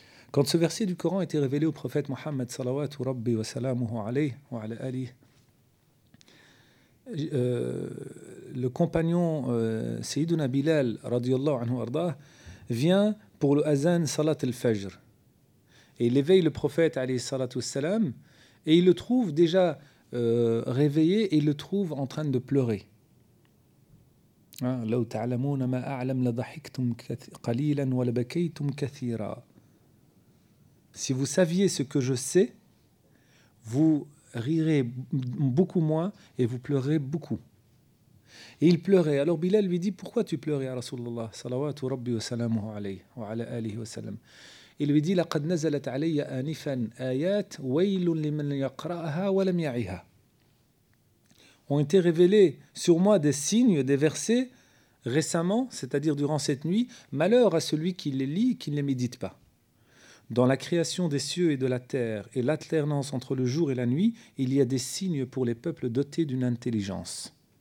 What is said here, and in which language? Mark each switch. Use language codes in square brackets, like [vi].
[fr] Quand ce verset du Coran a été révélé au prophète Mohammed [ar] salawatu rabbi wa salamuhu alayhi wa ala alihi, [fr] le compagnon Sayyiduna Bilal radiyallahu anhu arda vient pour le azan salat al-fajr et il éveille le prophète alayhi salatu wassalam et il le trouve déjà réveillé et il le trouve en train de pleurer. [ar] لو تعلمون ما أعلم لضحكتم قليلا ولبكيتم كثيرا. [fr] Si vous saviez ce que je sais, vous rirez beaucoup moins et vous pleurez beaucoup. Et il pleurait. Alors Bilal lui dit, pourquoi tu pleurais, [ar] رسول الله صلوات ربي وسلامه عليه وعلى آله وسلم. [fr] Il lui dit, [ar] لقد نزلت علي آنفا آيات ويل لمن يقرأها ولم يعيها. [fr] Ont été révélés sur moi des signes, des versets, récemment, c'est-à-dire durant cette nuit, malheur à celui qui les lit et qui ne les médite pas. Dans la création des cieux et de la terre et l'alternance entre le jour et la nuit, il y a des signes pour les peuples dotés d'une intelligence.